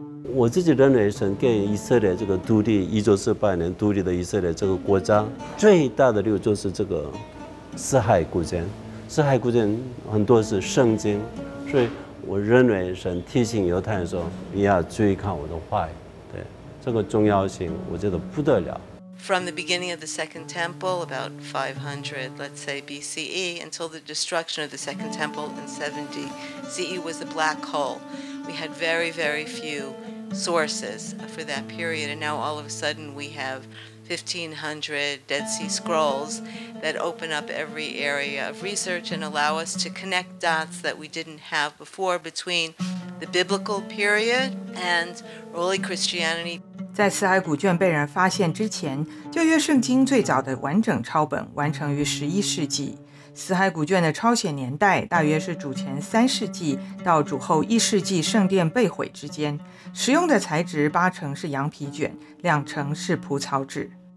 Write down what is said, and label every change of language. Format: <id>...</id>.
<zh>我自己认为，神给以色列这个独立，1948年独立的以色列这个国家，最大的礼物就是这个死海古卷。死海古卷很多是圣经，所以我认为神提醒犹太人说：“你要注意看我的话语。” 这个重要性我觉得不得了。</zh> <en>From the beginning of the Second Temple, about 500, let's say BCE, until the destruction of the Second Temple in 70 CE was a black hole. We had very, very few sources for that period, and now all of a sudden we have 1,500 Dead Sea Scrolls that open up every area of research and allow us to connect dots that we didn't have before between the biblical period and early Christianity.</en> <zh>在死海古卷被人发现之前，旧约圣经最早的完整抄本完成于11世纪。死海古卷的抄写年代大约是主前3世纪到主后1世纪圣殿被毁之间，使用的材质八成是羊皮卷，两成是蒲草纸。</zh>